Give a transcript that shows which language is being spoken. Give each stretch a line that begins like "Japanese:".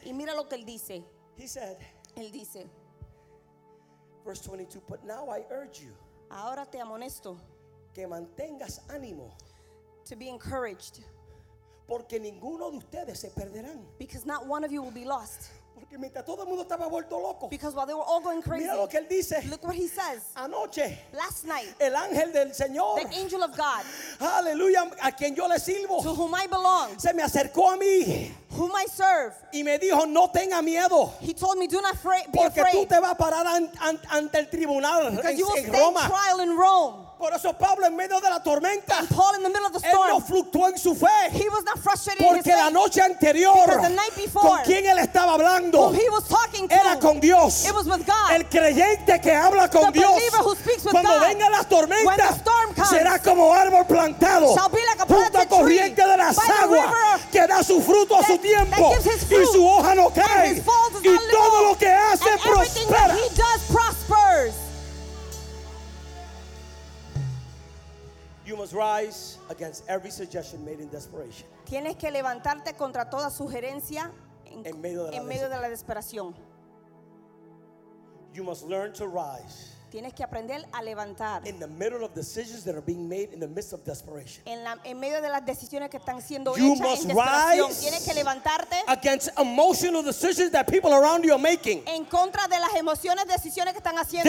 Spanish: Y mira lo que él dice.
English: He said.
Spanish: Él dice.
English: Verse 22. But now I urge you.
Spanish: Ahora te amonesto. Que mantengas ánimo.
English: To be encouraged.
Spanish: Porque ninguno de ustedes se perderán.
English: Because not one of you will be lost.
Spanish: Porque mientras todo el mundo estaba vuelto loco.
English: Because while they were all going crazy.
Spanish: Mira lo que él dice.
English: Look what he says.
Spanish: Anoche.
English: Last night.
Spanish: El ángel del Señor.
English: The angel of God.
Spanish: Aleluya, a quien yo le sirvo.
English: To whom I belong.
Spanish: Se me acercó a mí.
English: Whom I serve.
Spanish: Y me dijo, no tenga miedo.
English: He told me, do not be afraid.
Spanish: Porque tú te vas a parar ante el tribunal en Roma.
English: Because you will stand trial in Rome.
Spanish: Por eso Pablo en medio de la tormenta.
English: And Paul in the middle of the storm.
Spanish: Él no fluctuó en su fe.
English: He was not frustrated in his faith.
Spanish: Porque la noche anterior.
English: Because the night before.
Spanish: Con quien él estaba hablando.
English: Whom he was talking to.
Spanish: Era con Dios.
English: It was with God.
Spanish: El creyente que habla con Dios.
English: The believer who speaks with God.
Spanish: Cuando venga la tormenta.
English: When the storm comes.
Spanish: Será como árbol plantado.
English: Shall be like a planted tree.
Spanish: Junto a corriente de las aguas. Que da su fruto a su tiempo.
English: That gives his fruit.
Spanish: Y su hoja no cae.
English: And his fall does not lose.
Spanish: Y todo lo que hace prospera.
English: And everything that he does prospers. You must rise against every suggestion made in desperation.
Spanish: Tienes que levantarte contra toda sugerencia en medio de la desesperación.
English: You must learn to rise.
Spanish: Tienes que aprender a levantar.
English: In the middle of decisions that are being made in the midst of desperation.
Spanish: En medio de las decisiones que están siendo hechas en desesperación. Tienes que levantarte.
English: Against emotional decisions that people around you are making.
Spanish: En contra de las emociones, decisiones que están haciendo.